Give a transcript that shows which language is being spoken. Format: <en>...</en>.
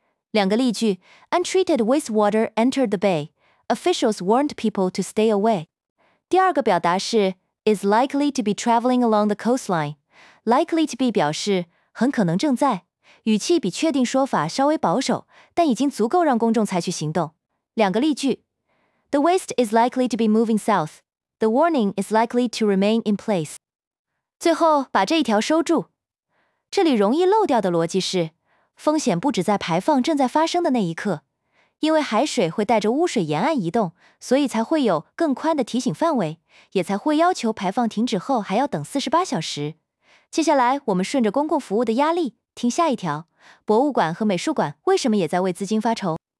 <zh>两个例句：</zh> <en>untreated wastewater entered the bay， officials warned people to stay away。</en> <zh>第二个表达是</zh> <en>is likely to be traveling along the coastline，</en> <zh>likely to be 表示很可能正在，语气比确定说法稍微保守，但已经足够让公众采取行动。两个例句：</zh> <en>The waste is likely to be moving south. The warning is likely to remain in place.</en> <zh>最后把这一条收住。这里容易漏掉的逻辑是，风险不止在排放正在发生的那一刻，因为海水会带着污水沿岸移动，所以才会有更宽的提醒范围，也才会要求排放停止后还要等48小时。接下来我们顺着公共服务的压力听下一条，博物馆和美术馆为什么也在为资金发愁？</zh>